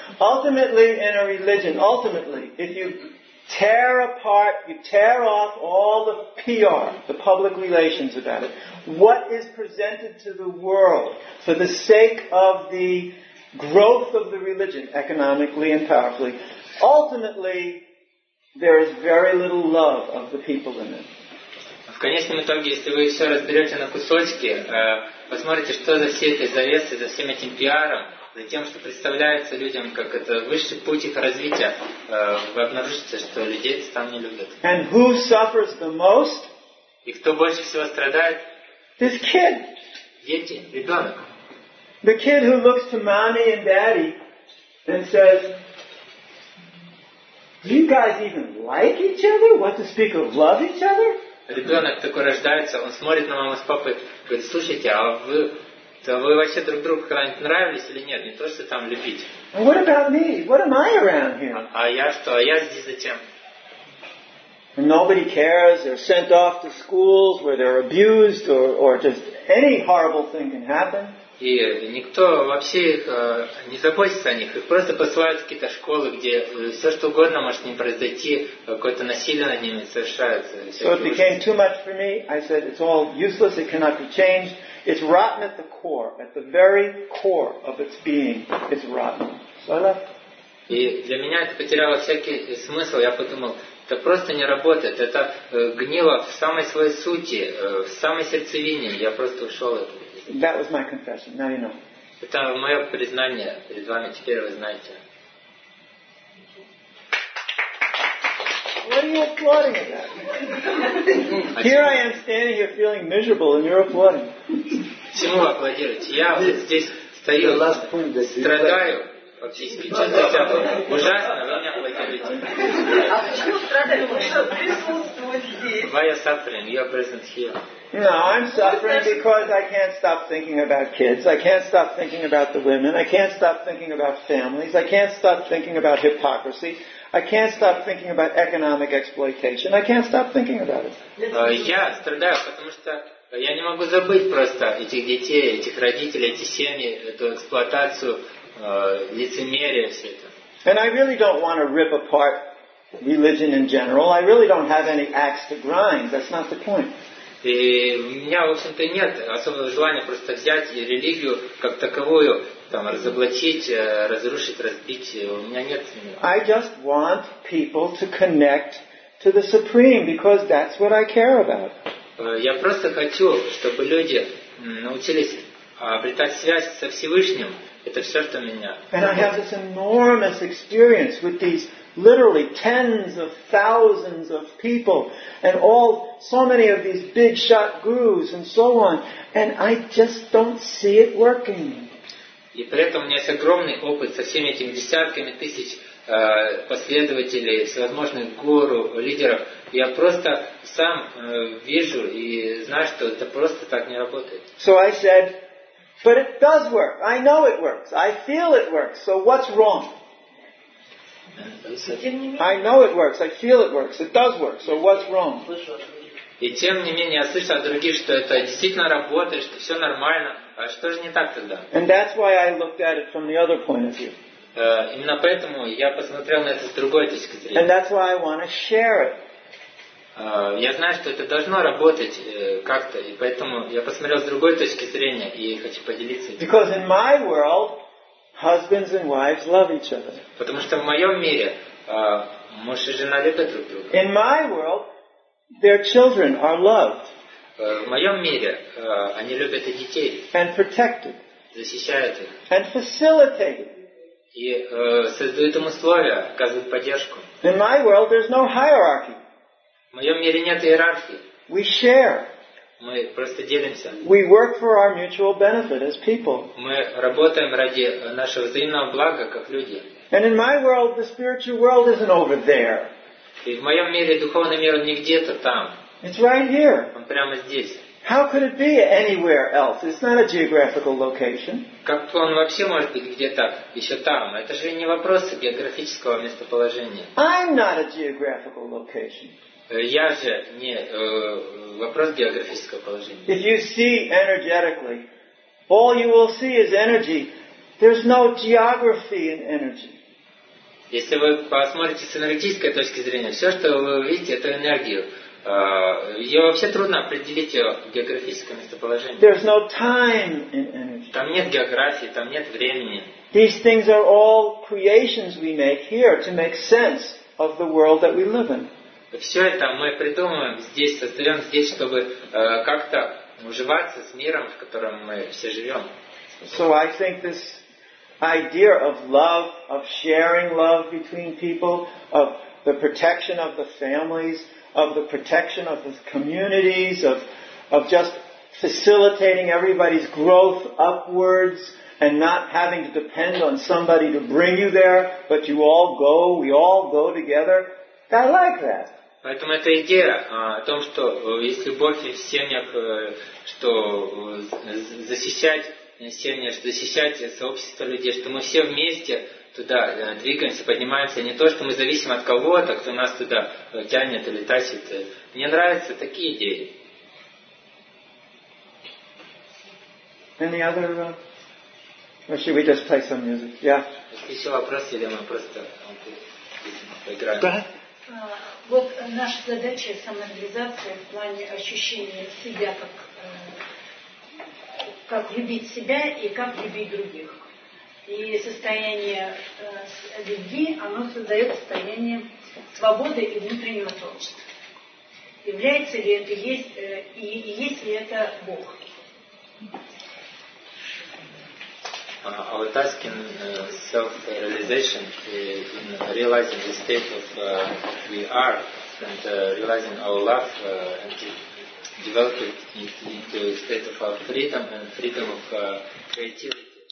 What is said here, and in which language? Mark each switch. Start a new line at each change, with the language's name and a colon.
English: Ultimately in a religion, ultimately, if you tear apart, you tear off all the PR, the public relations about it, what is presented to the world for the sake of the growth of the religion, economically and powerfully, ultimately, there is very little love of the people in it.
Russian: В конечном итоге, если вы все разберете на кусочки, посмотрите, что за всей этой завесой, за всем этим пиаром, за тем, что представляется людям, как это высший путь их развития, вы обнаружите, что людей это там не любят.
English: And who suffers the most?
Russian: И кто больше всего страдает?
English: This kid.
Russian: Дети, ребенок.
English: The kid who looks to mommy and daddy and says, do you guys even like each other? What to speak of love each other?
Russian: Ребенок такой рождается, он смотрит на маму с папой, говорит, слушайте, а вы... Да вы вообще друг другу когда-нибудь нравились или нет? Не то, что там любить.
English: What about me? What am I around here?
Russian: А я что? А я здесь зачем?
English: Nobody cares. They're sent off to schools where they're abused or just any horrible thing can happen.
Russian: И никто вообще их не заботится о них. Их просто посылают в какие-то школы, где все что угодно может с ним произойти, какое-то насилие над ними совершается.
English: So it became too much for me. I said, it's all useless. It cannot be changed. It's rotten at the core, at the very core of its being. It's rotten. So I left.
Russian: И для меня это потеряло всякий смысл. Я подумал, это просто не работает. Это гнило в самой своей сути, в самой сердцевине. Я просто ушел.
English: That was my confession. Now you know.
Russian: Это мое признание перед вами. Теперь вы знаете.
English: What are you applauding about? Here I am standing here feeling miserable and you're applauding.
Russian: Чему аплодируете? Я вот здесь стою, страдаю фактически. Чувствую себя ужасно, вы мне аплодируете. А почему страдаю? Потому что присутствует здесь.
English: Why are you suffering? You are present here. No, I'm suffering because I can't stop thinking about kids. I can't stop thinking about the women. I can't stop thinking about families. I can't stop thinking about hypocrisy. I can't stop thinking about economic exploitation. I can't stop thinking about it.
Russian: Я страдаю, потому что я не могу забыть просто этих детей, этих родителей, эти семьи, эту эксплуатацию, лицемерие, все это.
English: And I really don't want to rip apart religion in general. I really don't have any axe to grind. That's not the point.
Russian: И у меня, в общем-то, нет особого желания просто взять и религию как таковую, там, разоблачить, разрушить, разбить. У меня нет.
English: I just want people to connect to the Supreme, because that's what I care about.
Russian: Я просто хочу, чтобы люди научились обретать связь со Всевышним. Это все, что меня.
English: And I have this enormous experience with these literally tens of thousands of people and all so many of these big shot gurus and so on, and I just don't see it working.
Russian: И при этом у меня есть огромный опыт со всеми этими десятками тысяч последователей, всевозможных гуру, лидеров. Я просто сам вижу и знаю, что это просто так не работает.
English: So I said, but it does work. I know it works. I feel it works. So what's wrong? I know it works, I feel it works, it does work, so what's wrong?
Russian: И тем не менее я слышал от других, что это действительно работает, что все нормально, а что же не так тогда?
English: And that's why I looked at it from the other point of view.
Russian: Именно поэтому я посмотрел на это с другой точки зрения.
English: And that's why I want to share it.
Russian: Я знаю, что это должно работать как-то, и поэтому я посмотрел с другой точки зрения и хочу поделиться этим.
English: Because in my world, husbands and wives love each other.
Russian: Потому что в моем мире муж и жена любят друг друга.
English: In my world, their children are loved.
Russian: В моем мире они любят и детей.
English: And protected.
Russian: Защищают их.
English: And facilitated.
Russian: И создают ему условия, оказывают поддержку.
English: In my world there's no hierarchy.
Russian: В моем мире нет иерархии.
English: We share.
Russian: Мы просто делимся.
English: We work for our mutual benefit as people.
Russian: Мы работаем ради нашего взаимного блага как люди.
English: And in my world the spiritual world isn't over there.
Russian: И в моем мире духовный мир не где-то там.
English: It's right here.
Russian: Он прямо здесь.
English: How could it be anywhere else? It's not a geographical location.
Russian: Как он вообще может быть где-то еще там? Это же не вопрос географического местоположения.
English: I'm not a geographical location.
Russian: Я же не вопрос географического положения.
English: If you see energetically, all you will see is energy. There's no geography in energy.
Russian: Если вы посмотрите с энергетической точки зрения, все, что вы увидите, это энергию. Ее вообще трудно определить ее географическое местоположение.
English: There's no time in energy.
Russian: Там нет географии, там нет времени.
English: These things are all creations we make here to make sense of the world that we live in.
Russian: Все это мы придумываем здесь, создаем здесь, чтобы как-то уживаться с миром, в котором мы все живем.
English: So I think this idea of love, of sharing love between people, of the protection of the families, of the protection of the communities, of just facilitating everybody's growth upwards and not having to depend on somebody to bring you there, but you all go, we all go together. I like that.
Russian: Поэтому эта идея о том, что есть любовь в семьях, что защищать семьи, что защищать сообщество людей, что мы все вместе туда двигаемся, поднимаемся, не то, что мы зависим от кого-то, кто нас туда тянет или тащит. Мне нравятся такие идеи.
English: Any other, or should we just play some music? Yeah.
Russian: Если еще вопрос, или мы просто поиграем. Да. Вот наша задача самореализации в плане ощущения себя как любить себя и как любить других. И состояние любви, оно создает состояние свободы и внутреннего творчества. Является ли это, есть ли это Бог?
English: I was asking self-realization, realizing the state of we are, and realizing our love, and developing it into a state of our freedom and freedom of creativity.